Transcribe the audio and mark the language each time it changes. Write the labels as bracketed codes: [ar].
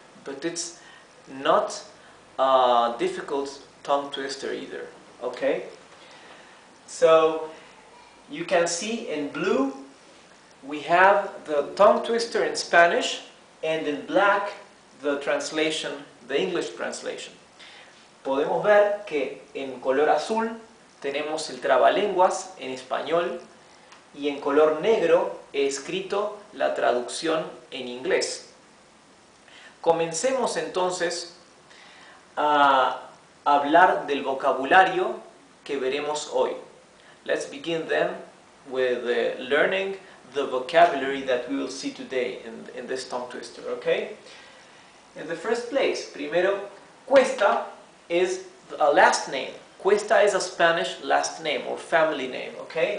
[en] But it's not a difficult tongue twister either. Okay, so you can see in blue we have the tongue twister in Spanish and in black the translation, the English translation. [es] Podemos ver que en color azul tenemos el trabalenguas en español y en color negro he escrito la traducción en inglés. Comencemos entonces a hablar del vocabulario que veremos hoy. [en] Let's begin then with learning the vocabulary that we will see today in this tongue twister, okay? In the first place, primero, Cuesta is a last name. Cuesta is a Spanish last name or family name, okay?